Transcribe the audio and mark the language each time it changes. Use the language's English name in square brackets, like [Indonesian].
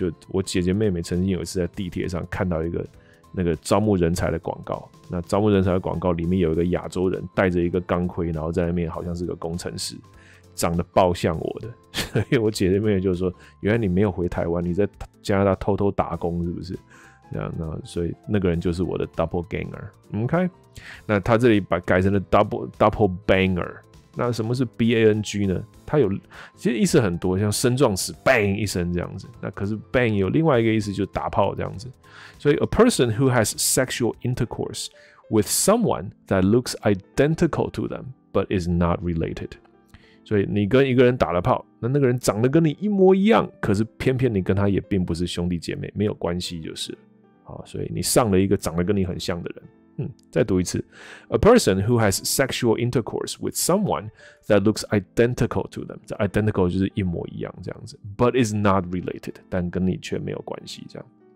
[Chinese] 就我姐姐妹妹曾经有一次在地铁上看到一个那个招募人才的广告，那招募人才的广告里面有一个亚洲人戴着一个钢盔，然后在那边好像是个工程师，长得爆像我的，所以我姐姐妹妹就说：“原来你没有回台湾，你在加拿大偷偷打工是不是？” 这样，那所以那个人就是我的 doppelganger。OK。那他这里把改成了 double banger， 那什么是 bang 呢？他有其实意思很多，像声状词 bang 一声这样子。那可是 bang 有另外一个意思，就是打炮这样子。 [English] 所以 a person who has sexual intercourse with someone that looks identical to them but is not related。 [Chinese] 所以你跟一个人打了炮，那那个人长得跟你一模一样，可是偏偏你跟他也并不是兄弟姐妹，没有关系就是。好，所以你上了一个长得跟你很像的人。再读一次 [English] ，A person who has sexual intercourse with someone that looks identical to them， [Chinese] 这 identical 就是一模一样这样子 [English] ，but is not related， [Chinese] 但跟你却没有关系这样。